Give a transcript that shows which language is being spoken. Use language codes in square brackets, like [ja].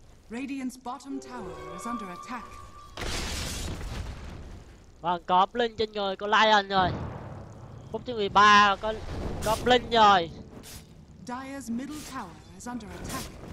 [en] Radiant's bottom tower is under attack. [vi] Vâng, có blink trên người có Lion rồi. Phút thứ 13 có blink rồi. [en] Dire's middle tower is under attack.